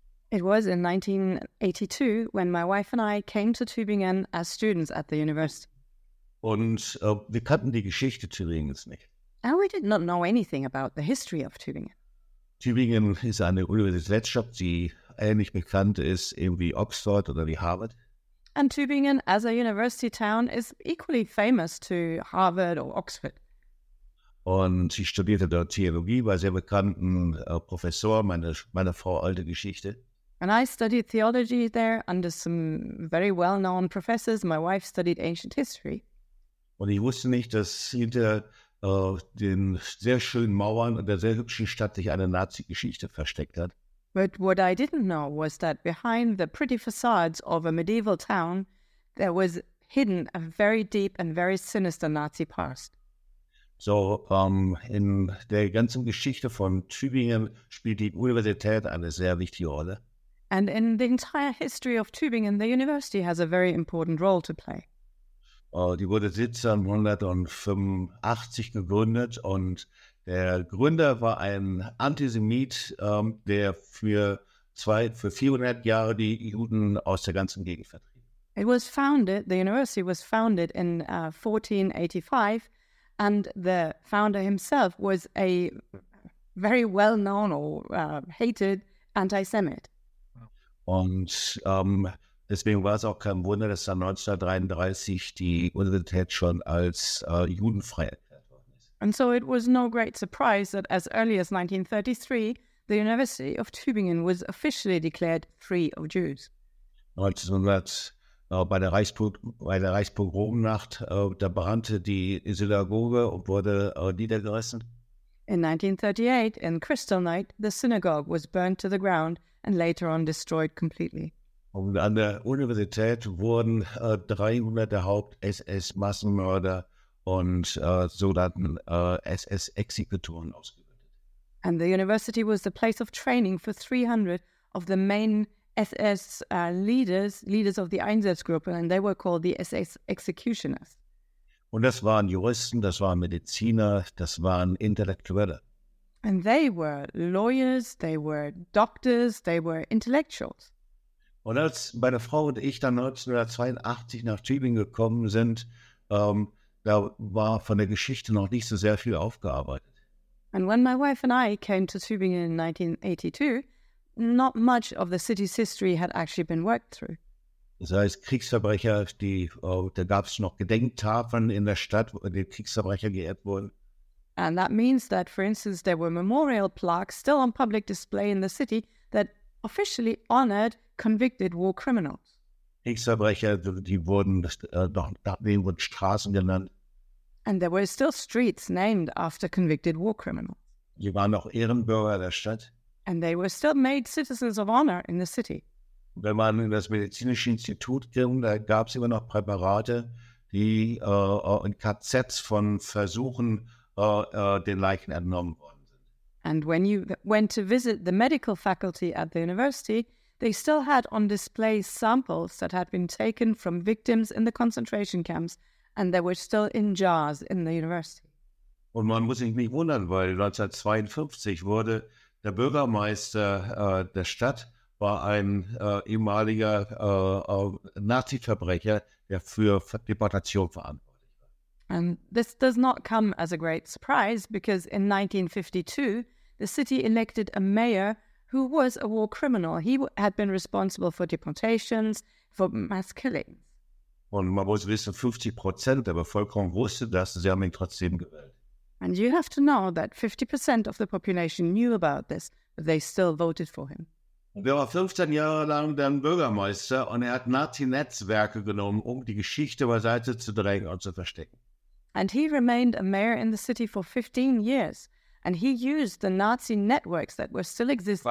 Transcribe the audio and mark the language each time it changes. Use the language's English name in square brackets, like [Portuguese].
[English] It was in 1982 when my wife and I came to Tübingen as students at the university. [German] Und wir kannten die Geschichte Tübingens nicht. [English] And we did not know anything about the history of Tübingen. [German] Tübingen ist eine Universitätsstadt, die ähnlich bekannt ist wie Oxford oder wie Harvard. [English] And Tübingen as a university town is equally famous to Harvard or Oxford. [German] Und ich studierte dort Theologie bei sehr bekannten Professor, meine Frau alte Geschichte. [English] And I studied theology there under some very well-known professors. My wife studied ancient history. [German] Und ich wusste nicht, dass hinter den sehr schönen Mauern und der sehr hübschen Stadt sich eine Nazi-Geschichte versteckt hat. [English] But what I didn't know was that behind the pretty facades of a medieval town, there was hidden a very deep and very sinister Nazi past. [German] So in der ganzen Geschichte von Tübingen spielt die Universität eine sehr wichtige Rolle. [English] And in the entire history of Tübingen, the university has a very important role to play. [German] Die wurde 1785 gegründet und der Gründer war ein Antisemit, der für 400 Jahre die Juden aus der ganzen Gegend vertrieb. [English] The university was founded in 1485 and the founder himself was a very well-known or hated anti-Semit. [German] Und deswegen war es auch kein Wunder, dass dann 1933 die Universität schon als judenfrei erklärt worden ist. [English] And so it was no great surprise that as early as 1933, the University of Tübingen was officially declared free of Jews. [German] Bei der Reichspogromnacht, da brannte die Synagoge und wurde niedergerissen. [English] In 1938, in Kristallnacht, the synagogue was burned to the ground and later on destroyed completely. [German] Und an der Universität wurden 300 der Haupt-SS-Massenmörder und sogenannten SS-Exekutoren ausgebildet. [English] And the university was the place of training for 300 of the main SS leaders of the Einsatzgruppe, and they were called the SS-Executioners. [German] Und das waren Juristen, das waren Mediziner, das waren Intellektuelle. [English] And they were lawyers, they were doctors, they were intellectuals. [German] Und als meine Frau und ich dann 1982 nach Tübingen gekommen sind, da war von der Geschichte noch nicht so sehr viel aufgearbeitet. [English] And when my wife and I came to Tübingen in 1982, not much of the city's history had actually been worked through. [German] Das heißt, Kriegsverbrecher, da gab es noch Gedenktafeln in der Stadt, wo die Kriegsverbrecher geehrt wurden. [English] And that means that, for instance, there were memorial plaques still on public display in the city that officially honored convicted war criminals. [German] Kriegsverbrecher, die wurden, nachdem wurden Straßen genannt. [English] And there were still streets named after convicted war criminals. [German] Die waren noch Ehrenbürger der Stadt. [English] And they were still made citizens of honor in the city. [German] Wenn man in das medizinische Institut ging, da gab es immer noch Präparate, die in KZs von Versuchen den Leichen entnommen worden sind. [English] And when you went to visit the medical faculty at the university, they still had on display samples that had been taken from victims in the concentration camps, and they were still in jars in the university. [German] Und man muss sich nicht wundern, weil 1952 wurde der Bürgermeister der Stadt war ein ehemaliger Nazi-Verbrecher, der für Deportation verantwortlich war. [English] And this does not come as a great surprise, because in 1952, the city elected a mayor who was a war criminal. He had been responsible for deportations, for mass killings. [German] Und man muss wissen, 50% der Bevölkerung wusste das, sie haben ihn trotzdem gewählt. [English] And you have to know that 50% of the population knew about this, but they still voted for him. [German] Und er war 15 Jahre lang dann Bürgermeister und er hat Nazi-Netzwerke genommen, um die Geschichte beiseite zu drängen und zu verstecken. [English] And he remained a mayor in the city for 15 years. And he used the Nazi networks that were still existing